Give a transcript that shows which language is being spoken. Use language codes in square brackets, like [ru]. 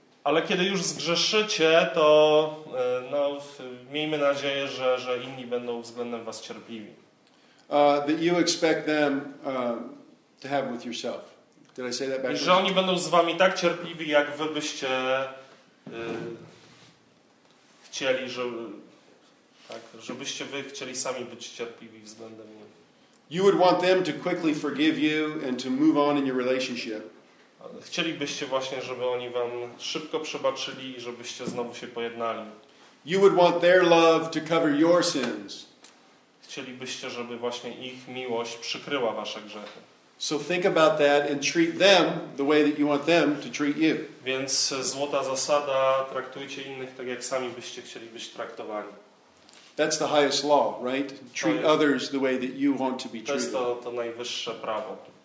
[pl] Ale kiedy już zgrzeszycie, to miejmy nadzieję, że inni będą względem was cierpliwi. [en] That you expect them to have with yourself. Did I say that backwards? [pl] I że oni będą z wami tak cierpliwi, jak wy byście chcieli, żebyście wy chcieli sami być cierpliwi względem mnie. [en] You would want them to quickly forgive you and to move on in your relationship. [pl] Chcielibyście właśnie, żeby oni wam szybko przebaczyli i żebyście znowu się pojednali. [en] You would want their love to cover your sins. [pl] Chcielibyście, żeby właśnie ich miłość przykryła wasze grzechy. [en] So think about that and treat them the way that you want them to treat you. [pl] Więc złota zasada, traktujcie innych tak, jak sami byście chcieli być traktowani. [en] That's the highest law, right? Treat others the way that you want to be treated. [pl] To jest to najwyższe prawo.